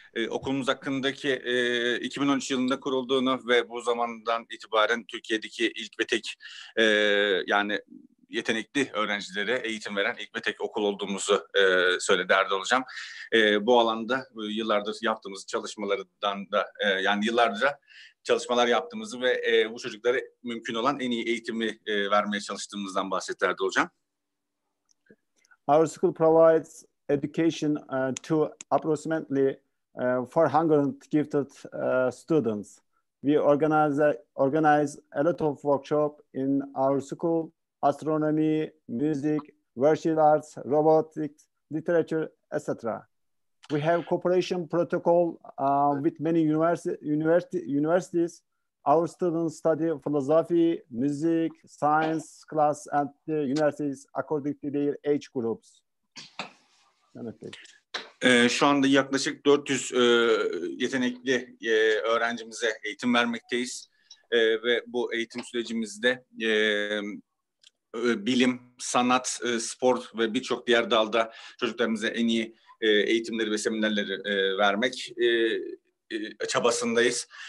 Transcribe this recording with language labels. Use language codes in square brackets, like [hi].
[tr] Okulumuz hakkındaki 2013 yılında kurulduğunu ve bu zamandan itibaren Türkiye'deki ilk ve tek yani yetenekli öğrencilere eğitim veren ilk ve tek okul olduğumuzu söyledi Erdal hocam. Bu alanda yıllardır yaptığımız çalışmalardan da yani yıllarca çalışmalar yaptığımızı ve bu çocuklara mümkün olan en iyi eğitimi vermeye çalıştığımızdan bahsetti Erdal hocam. [en] Our school provides education to approximately 400 gifted students. We organize a lot of workshops in our school: astronomy, music, visual arts, robotics, literature, etc. We have cooperation protocol with many universities. Our students study philosophy, music, science class at the universities according to their age groups. [tr] Şu anda yaklaşık 400 yetenekli öğrencimize eğitim vermekteyiz ve bu eğitim sürecimizde bilim, sanat, spor ve birçok diğer dalda çocuklarımıza en iyi eğitimleri ve seminerleri vermek çabasındayız.